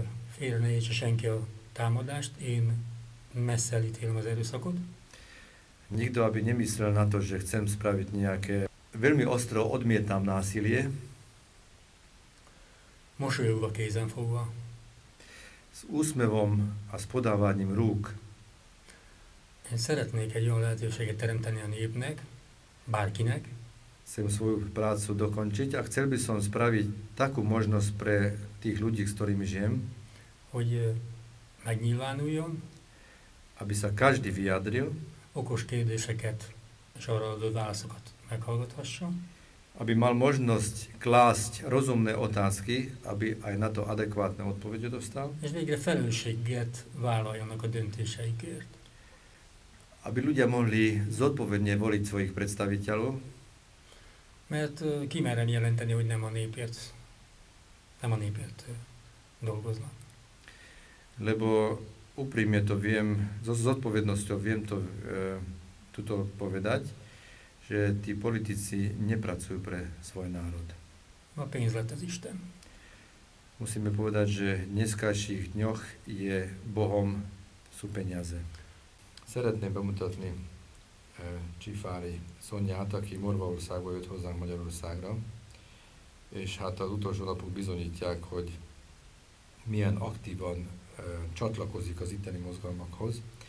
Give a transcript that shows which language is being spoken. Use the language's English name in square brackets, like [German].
[Hungarian] Félre ne értse senki a támadást, én messze elítélem az erőszakot. [Slovak] Nikto, aby nemyslel na to, že chcem spraviť nejaké... Veľmi ostro odmietam násilie. [Hungarian] Mosolyogva kézen fogva. [Slovak] S úsmevom a s podávaním rúk. [Hungarian] Én szeretnék egy olyan lehetőséget teremteni a népnek, bárkinek. [Slovak] Chcem svoju prácu dokončiť a chcel by som spraviť takú možnosť pre tých ľudí, s ktorými žijem. [Hungarian] Hogy megnyilvánuljon. [Slovak] Aby sa každý vyjadril. [Hungarian] Okos kérdéseket és arra adott válaszokat meghallgathasson. [Slovak] Aby mal možnosť klásť rozumné otázky, aby aj na to adekvátne odpovede dostal. [Hungarian] És végre felelősséget vállaljanak a döntéseikért. [Slovak] Aby ľudia mohli zodpovedne voliť svojich predstaviteľov. [Hungarian] Mert kimerem jelenteni, hogy nem a népért dolgozna. [Slovak] Lebo úprimne to viem, s odpovednosťou viem to tuto povedať, že tí politici nepracujú pre svoj národ. [Hungarian] A peniaz let az Isten. [Slovak] Musíme povedať, že v dneskajších dňoch je Bohom sú peniaze. [Hungarian] Szeretném bemutatni Csifári Szonyát, aki Morvaországba jött hozzánk Magyarországra, és hát az utolsó napok bizonyítják, hogy milyen aktívan csatlakozik az itteni mozgalmakhoz.